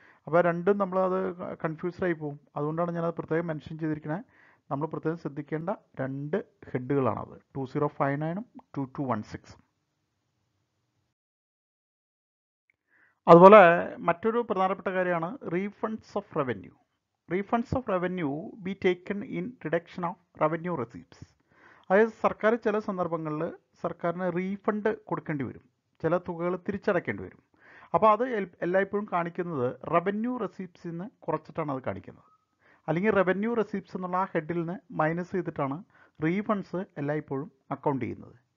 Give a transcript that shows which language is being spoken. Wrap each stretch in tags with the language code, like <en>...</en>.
<ml>അപ്പോൾ രണ്ടും നമ്മളത് കൺഫ്യൂസ്ഡായി പോവും. അതുകൊണ്ടാണ് ഞാനത് പ്രത്യേകം മെൻഷൻ ചെയ്തിരിക്കുന്നത്. നമ്മൾ പ്രത്യേകം ശ്രദ്ധിക്കേണ്ട രണ്ട് ഹെഡുകളാണത്, 2059 2216. അതുപോലെ മറ്റൊരു പ്രധാനപ്പെട്ട കാര്യമാണ് refunds of revenue.</ml> <en>refunds of revenue be taken in deduction of revenue receipts.</en> <ml>അതായത് സർക്കാർ ചില സന്ദർഭങ്ങളിൽ സർക്കാരിന് റീഫണ്ട് കൊടുക്കേണ്ടി വരും, ചില തുകകൾ തിരിച്ചടക്കേണ്ടി വരും. അപ്പോൾ അത് എല്ലായ്പ്പോഴും കാണിക്കുന്നത് റവന്യൂ റെസീപ്സിൽ നിന്ന് കുറച്ചിട്ടാണ് അത് കാണിക്കുന്നത്, അല്ലെങ്കിൽ റവന്യൂ റെസീപ്സ് എന്നുള്ള ആ ഹെഡിൽ നിന്ന് മൈനസ് ചെയ്തിട്ടാണ് റീഫണ്ട്സ് എല്ലായ്പ്പോഴും അക്കൗണ്ട് ചെയ്യുന്നത്.</ml>